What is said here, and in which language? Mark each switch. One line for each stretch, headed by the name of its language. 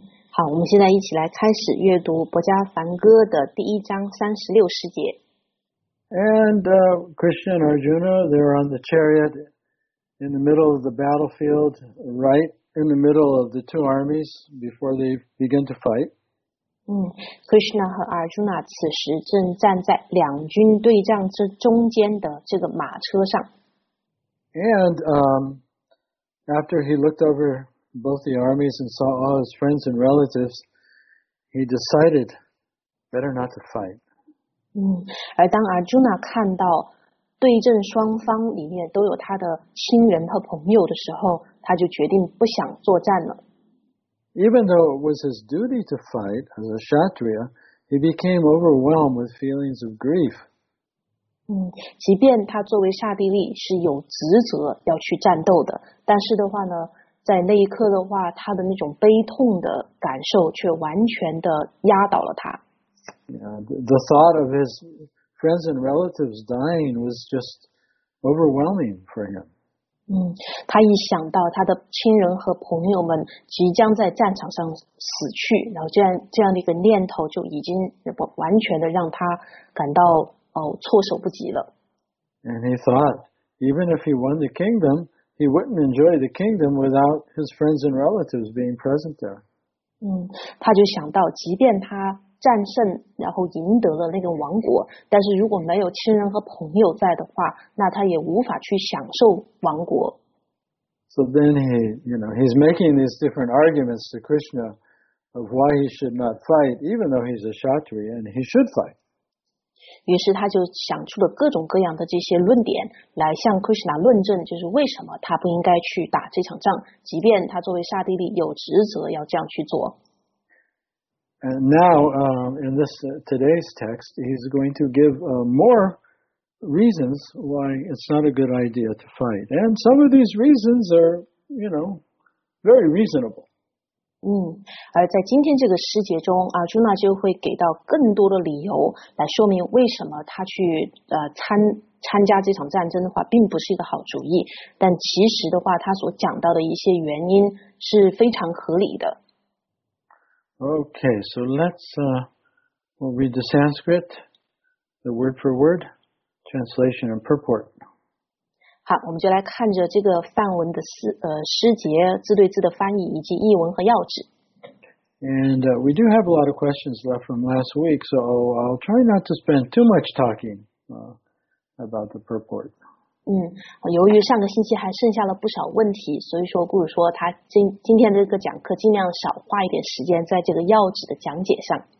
Chinese: 好，我们现在一起来开始阅读《博迦梵歌》的第一章三十六十节。
English: And Krishna and Arjuna, they're on the chariot in the middle of the battlefield, right in the middle of the two armies before they begin to fight.
Chinese: Krishna 和 Arjuna 此时正站在两军对仗之中间的这个马车上。
English: And after he looked over both the armies and saw all his friends and relatives, he decided better not to fight.
Chinese: 而当 Arjuna 看到对阵双方里面都有他的亲人和朋友的时候，他就决定不想作战了。
English: Even though it was his duty to fight as a Kshatriya, he became overwhelmed with feelings of grief.
Chinese: 即便他作为刹帝利是有职责要去战斗的，但是的话呢，在那一刻的话，他的那种悲痛的感受却完全的压倒了他。
English: The thought of his friends and relatives dying was just overwhelming for him.
Chinese: 他一想到他的亲人和朋友们即将在战场上死去，然后这样的一个念头就已经完全的让他感到措手不及了。
English: And he thought, even if he won the kingdom, he wouldn't enjoy the kingdom without his friends and relatives being present there.
Chinese: 他就想到，即便他战胜然后赢得了那个王国，但是如果没有亲人和朋友在的话，那他也无法去享受王国。
English: So then he, you know, he's making these different arguments to Krishna of why he should not fight, even though he's a Kshatriya and he should fight.
Chinese: 于是他就想出了各种各样的这些论点来向 Krishna 论证，就是为什么他不应该去打这场仗，即便他作为刹帝利有职责要这样去做。
English: And now, in this today's text, he's going to give more reasons why it's not a good idea to fight. And some of these reasons are, you know, very reasonable.
Chinese: 而在今天这个诗节中，Arjuna 就会给到更多的理由来说明为什么他去参加这场战争的话并不是一个好主意。但其实的话，他所讲到的一些原因是非常合理的。
English: Okay, so let's we'll read the Sanskrit, the word for word, translation and purport.
Chinese: 好，我们就来看着这个梵文的诗节字对字的翻译以及译文和要旨。
English: And we do have a lot of questions left from last week, so I'll try not to spend too much talking about the purport.
Chinese: 由于上个星期还剩下了不少问题，所以说顾主说他今天的这个讲课尽量少花一点时间在这个要旨的讲解上。